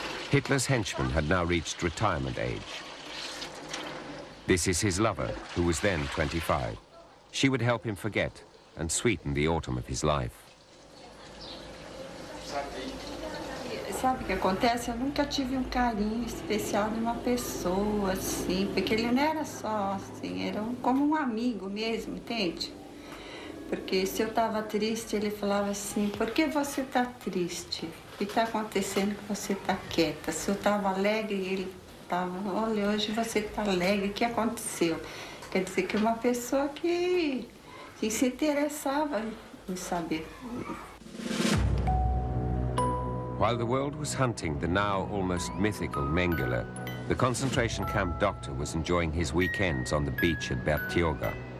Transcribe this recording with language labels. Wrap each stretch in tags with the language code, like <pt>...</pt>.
<en>Hitler's henchman had now reached retirement age. This is his lover, who was then 25. She would help him forget and sweeten the autumn of his life.</en> <pt>Sabe o que acontece? Eu nunca tive carinho especial de uma pessoa, assim, porque ele não era só, assim, era como amigo mesmo, entende? Porque se eu tava triste, ele falava assim, por que você tá triste? O que tá acontecendo que você tá quieta? Se eu tava alegre, ele tava, olha, hoje você tá alegre, o que aconteceu? Quer dizer que é uma pessoa que se interessava em saber.</pt> <en>While the world was hunting the now almost mythical Mengele, the concentration camp doctor was enjoying his weekends on the beach at Bertioga.</en>